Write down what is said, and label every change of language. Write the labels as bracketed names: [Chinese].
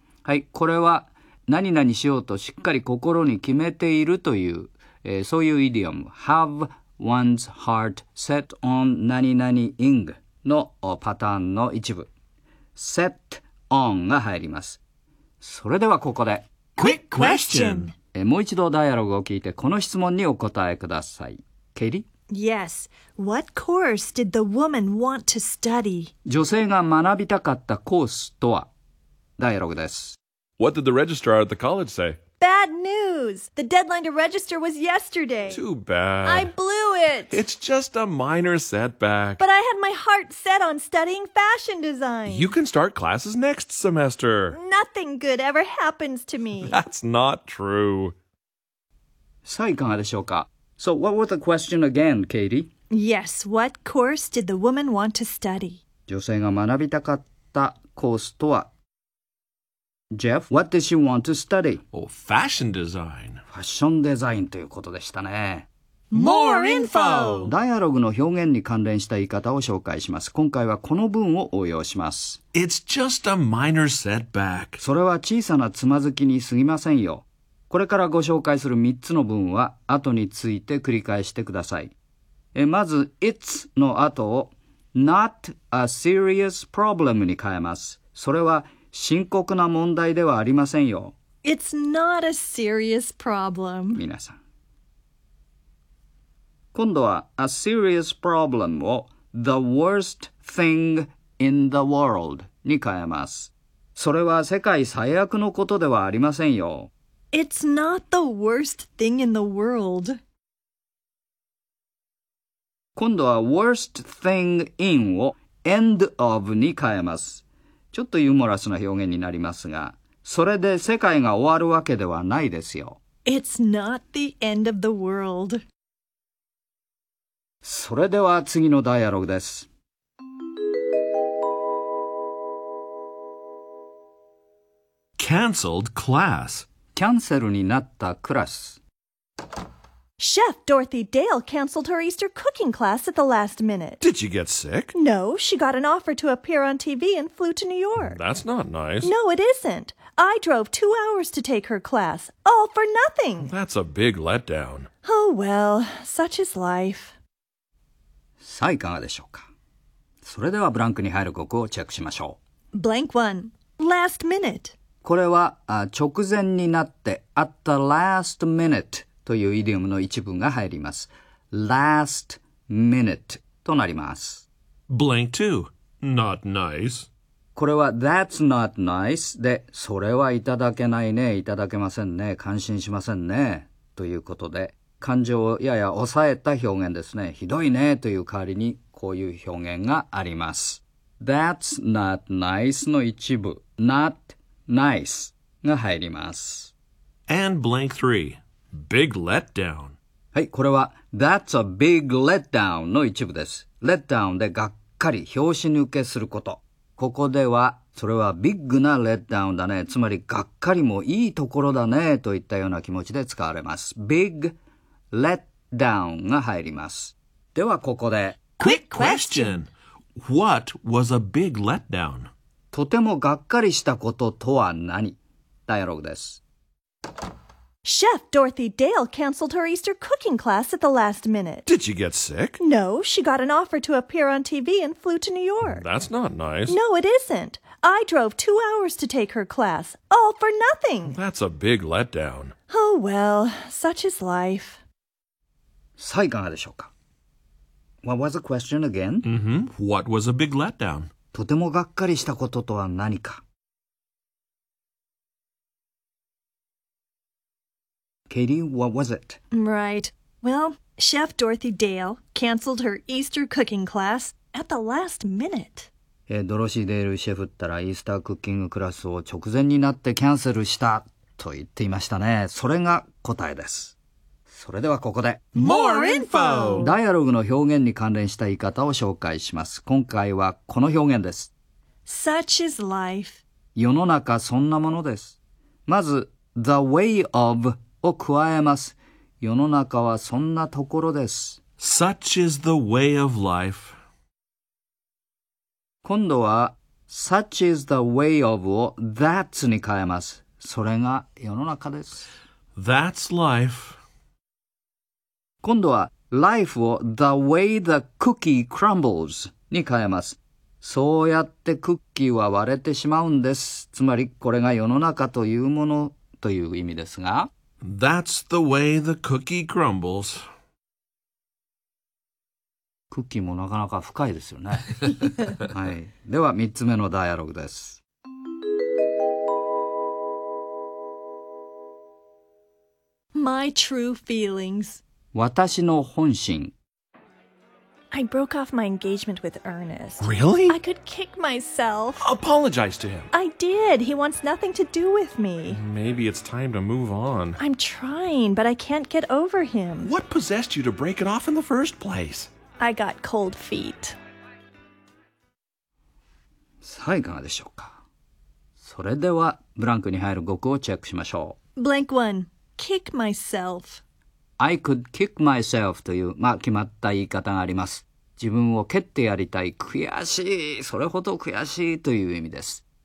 [Japanese] はい、これは何々しようとしっかり心に決めているという、そういうイディオム、 [English] Have one's heart set on [Japanese] 何々 ing のパターンの一部、 [English] Set on [Japanese] が入ります。それではここで [English] Quick question。 [Japanese] もう一度ダイアログを聞いてこの質問にお答えください。ケイリ [English] ー。 Yes. What course did the woman want to study? [Japanese] 女性が学びたかったコースとは。ダイアログです。 [English] What did the registrar at the college say? Bad news! The deadline to register was yesterday. Too bad. I blew it! It's just a minor setback. But I had my heart set on studying fashion design. You can start classes next semester. Nothing good ever happens to me. That's not true. [Japanese] さあ、いかがでしょうか? [English] So, what was the question again, Katie? Yes, what course did the woman want to study? [Japanese] 女性が学びたかったコースとは? [English] Jeff, what did she want to study? Oh, fashion design. [Japanese] ファッションデザインということでしたね。 [English] More info! [Japanese] ダイアログの表現に関連した言い方を紹介します。今回はこの文を応用します。 [English] It's just a minor setback. [Japanese] それは小さなつまずきに過ぎませんよ。これからご紹介する3つの文は後について繰り返してください。まず、 [English] it's [Japanese] の後を [English] not a serious problem [Japanese] に変えます。それは深刻な問題ではありませんよ。 [English] It's not a serious problem. [Japanese] 皆さん。今度は、 [English] a serious problem [Japanese] を [English] the worst thing in the world [Japanese] に変えます。それは世界最悪のことではありませんよ。 [English] It's not the worst thing in the world. [Japanese] 今度は、 [English] worst thing in [Japanese] を [English] end of [Japanese] に変えます。ちょっとユーモラスな表現になりますが、それで世界が終わるわけではないですよ。 [English] It's not the end of the world. [Japanese] それでは次のダイアログです。 [English] Cancelled class. [Japanese] キャンセルになったクラス。 [English] Chef Dorothy Dale canceled her Easter cooking class at the last minute. Did she get sick? No, she got an offer to appear on TV and flew to New York. That's not nice. No, it isn't. I drove 2 hours to take her class, all for nothing. That's a big letdown. Oh well, such is life. [Japanese] さあ、いかがでしょうか。それではブランクに入る語句をチェックしましょう。 [English] Blank 1. Last minute. [Japanese] これは、直前になって、 [English] at the last minute. [Japanese] というイディオムの一部が入ります。 [English] Last minute [Japanese] となります。 [English] Blank 2. Not nice. [Japanese] これは [English] That's not nice [Japanese] で、それはいただけないね、いただけませんね、感心しませんね、ということで、感情をやや抑えた表現ですね。ひどいねという代わりにこういう表現があります。 [English] That's not nice [Japanese] の一部、 [English] Not nice [Japanese] が入ります。 [English] And blank 3. Big letdown. [Japanese] はい、これは [English] That's a big letdown [Japanese] の一部です。 Letdown でがっかり、拍子抜けすること。ここではそれはビッグな letdown だね。つまりがっかりもいいところだねといったような気持ちで使われます。 [English] Big letdown [Japanese] が入ります。ではここで [English] Quick question. What was a big letdown? [Japanese] とてもがっかりしたこととは何？ダイアログです。 [English] Chef Dorothy Dale canceled her Easter cooking class at the last minute. Did she get sick? No, she got an offer to appear on TV and flew to New York. That's not nice. No, it isn't. I drove 2 hours to take her class, all for nothing. That's a big letdown. Oh well, such is life. [Japanese] さあ、いかがでしょうか? [English] What was the question again? What was a big letdown? [Japanese] とてもがっかりしたこととは何か? [English] Katie, what was it? Right. Well, Chef Dorothy Dale canceled her Easter cooking class at the last minute. [Japanese] ドロシー・デールシェフったらイースタークッキングクラスを直前になってキャンセルしたと言っていましたね。それが答えです。それではここで [English] More info! [Japanese] ダイアログの表現に関連した言い方を紹介します。今回はこの表現です。 [English] Such is life. [Japanese] 世の中そんなものです。まず、 [English] The way of [Japanese] を加えます。世の中はそんなところです。 [English] Such is the way of life. [Japanese] 今度は、 [English] Such is the way of [Japanese] を [English] That's [Japanese] に変えます。それが世の中です。 [English] That's life. [Japanese] 今度は、 [English] Life [Japanese] を [English] The way the cookie crumbles [Japanese] に変えます。そうやってクッキーは割れてしまうんです。つまり、これが世の中というものという意味ですが。 [English] That's the way the cookie crumbles. [Japanese] クッキーもなかなか深いですよね。はい。では、三つ目のダイアログです。 [English] My true feelings. [Japanese] 私の本心。 [English] I broke off my engagement with Ernest. Really? I could kick myself. Apologize to him. I did. He wants nothing to do with me. Maybe it's time to move on. I'm trying, but I can't get over him. What possessed you to break it off in the first place? I got cold feet. [Japanese] さあいかがでしょうか。それではブランクに入る語句をチェックしましょう。 [English] Blank one. Kick myself. I could kick myself [Japanese] という、まあ、決まった言い方があります。自分を蹴ってやりたい、悔しい、それほど悔しいという意味です。